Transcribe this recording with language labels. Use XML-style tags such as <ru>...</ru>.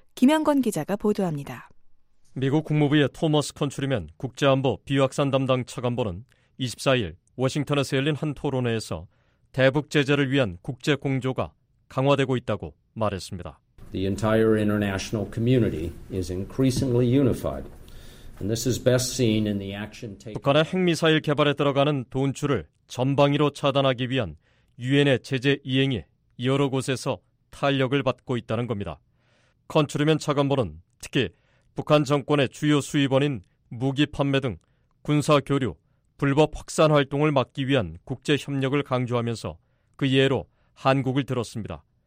<ko>김양건 기자가 보도합니다. 미국 국무부의 토머스 컨츄리맨 국제안보 비확산 담당 차관보는 24일 워싱턴에서 열린 한 토론회에서 대북 제재를 위한 국제 공조가 강화되고 있다고 말했습니다.</ko> <en>The entire international community is increasingly unified. And this is best seen in the action taken.</en> <ko>북한의 핵미사일 개발에 들어가는 돈출을 전방위로 차단하기 위한 UN의 제재 이행이 여러 곳에서 탄력을 받고 있다는 겁니다. 컨츄리맨 차관보는 특히 북한 정권의 주요 수입원인 무기 판매 등 군사 교류 불법 확산 활동을 막기 위한 국제협력을 강조하면서 그 예로 한국을 들었습니다.</ko>